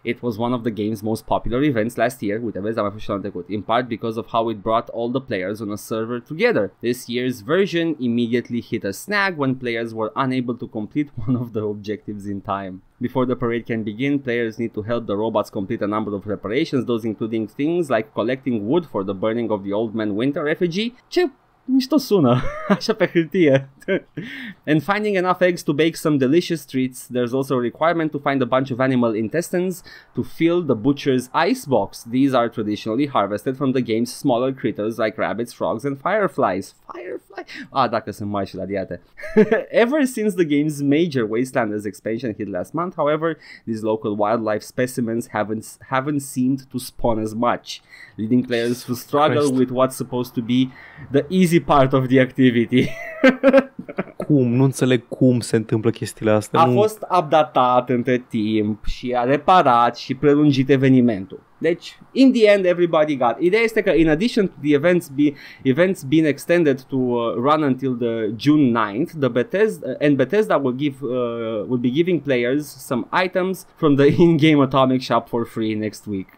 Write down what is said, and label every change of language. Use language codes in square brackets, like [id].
[en] It was one of the game's most popular events last year, in part because of how it brought all the players on a server together. This year's version immediately hit a snag when players were unable to complete one of the objectives in time. Before the parade can begin, players need to help the robots complete a number of reparations, those including things like collecting wood for the burning of the old man Winter effigy. Chip. [ro] Mișto sună, așa pe hârtie. [en] And finding enough eggs to bake some delicious treats, there's also a requirement to find a bunch of animal intestines to fill the butcher's ice box. These are traditionally harvested from the game's smaller critters like rabbits, frogs, and fireflies. [ro] Dacă sunt mai și la diete. [en] Ever since the game's major Wastelanders expansion hit last month, however, these local wildlife specimens haven't seemed to spawn as much, leading players to struggle Christ. With what's supposed to be the easy part of the activity. [ro] Cum? Nu înțeleg cum se întâmplă chestiile astea. A fost updatat între timp și a reparat și prelungit evenimentul. [en] Deci, in the end, everybody got. [ro] Ideea este că, [en] in addition to the events being extended to run until the June 9th, Bethesda will be giving players some items from the in-game Atomic Shop for free next week.